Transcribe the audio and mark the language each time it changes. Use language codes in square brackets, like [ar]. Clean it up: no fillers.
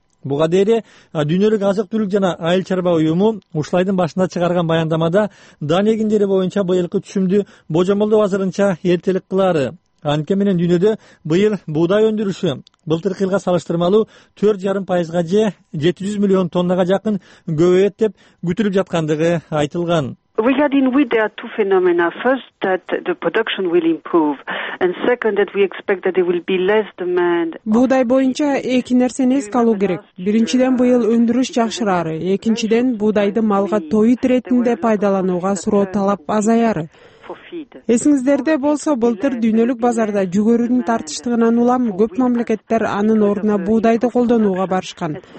[ky] Буга дээрэ Дүйнөлүк азык түлүк жана айыл чарба уюму ушулайдын башында чыгарган баяндамада дан эгиндери боюнча быйылкы түшүмдү божомолдоп азырынча эртелик кылары. Анткен менен дүйнөдө быйыл буудай өндүрүшү былтыркы жылга салыштырмалуу 4.5% же 700 миллион тоннага жакын көбөйөт деп күтүлүп жаткандыгы айтылган. [en] We had in wheat there are 2 phenomena. First, that the production will improve. And second, that we expect that there will be less demand. [ky] Буудай боюнча эки нерсени эске алуу керек. Биринчиден, быйыл өндүрүш жакшырары. Экинчиден, буудайды малга тоют иретинде пайдаланууга суроо талап азаяры. Эсиңиздерде болсо, былтыр дүйнөлүк базарда жүгөрүнүн тартыштыгынан улам көп мамлекеттер анын ордуна буудайды колдонууга барышкан.